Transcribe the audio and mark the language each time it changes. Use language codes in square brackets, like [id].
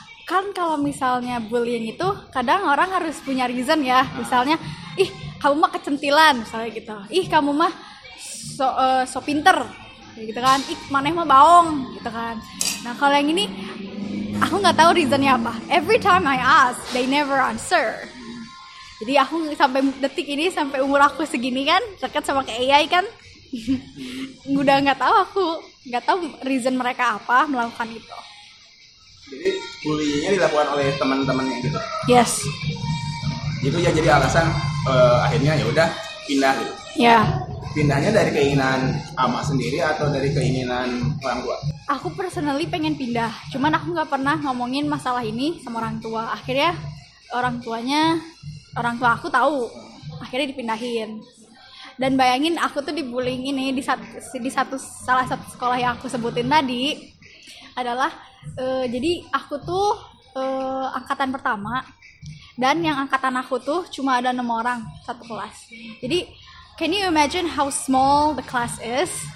[id] Kan kalau misalnya bullying itu kadang orang harus punya reason ya. Misalnya, ih kamu mah kecentilan, misalnya gitu. Ih kamu mah so pinter gitu kan. [su] Ih maneh mah baong [id] gitu kan. Nah kalau yang ini aku gak tahu reasonnya apa. [en] Every time I ask, they never answer. [id] Jadi aku sampai detik ini, sampai umur aku segini kan, deket sama ke AI kan, udah gak tahu aku. Gak tahu reason mereka apa melakukan itu. Jadi bullyingnya dilakukan oleh teman-temannya gitu. [en] Yes. [id] Itu ya jadi alasan akhirnya ya udah pindah. Ya. Yeah. Pindahnya dari keinginan ama sendiri atau dari keinginan orang tua? Aku personally pengen pindah, cuman aku nggak pernah ngomongin masalah ini sama orang tua. Akhirnya orang tua aku tahu. Akhirnya dipindahin. Dan bayangin aku tuh dibullying ini di salah satu sekolah yang aku sebutin tadi adalah. Jadi aku tuh angkatan pertama dan yang angkatan aku tuh cuma ada 6 orang satu kelas. Jadi [en] can you imagine how small the class is?